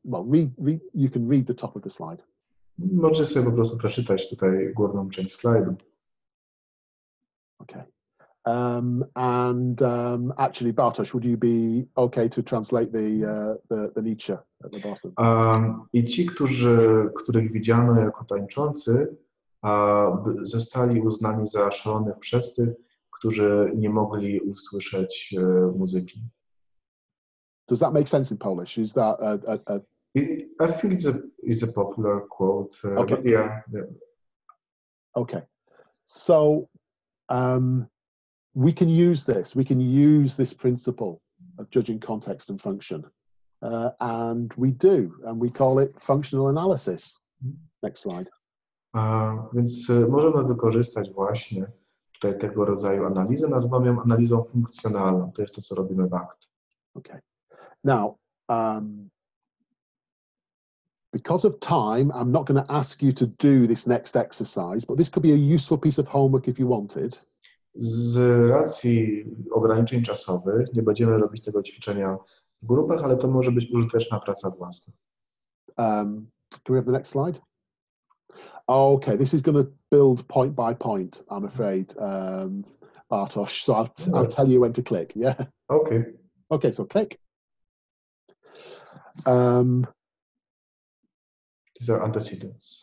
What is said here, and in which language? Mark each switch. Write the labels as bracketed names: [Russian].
[English] Well, you can read the top of the slide. [Polish] Możesz sobie po prostu przeczytać tutaj górną część slajdu. [English] Okay. Actually, Bartosz, would you be okay to translate the Nietzsche at the bottom? [Polish] I ci, których widziano jako tańczący, zostali uznani za szalonych przez tych, którzy nie mogli usłyszeć muzyki. [English] Does that make sense in Polish? Is that I feel it's a popular quote. Okay. Yeah. Okay. So, we can use this. We can use this principle of judging context and function, and we do, and we call it functional analysis. Next slide. [Polish] Więc możemy wykorzystać właśnie tutaj tego rodzaju analizę, nazwamy ją analizą funkcjonalną. To jest to, co robimy w ACT. [English] Okay. Now, because of time, I'm not going to ask you to do this next exercise, but this could be a useful piece of homework if you wanted. [Polish] Z racji ograniczeń czasowych nie będziemy robić tego ćwiczenia w grupach, ale to może być użyteczna praca własna. [English] Do we have the next slide? Okay, this is going to build point by point, I'm afraid, Bartosz. So I'll tell you when to click, yeah? Okay. Okay, so click. These are antecedents.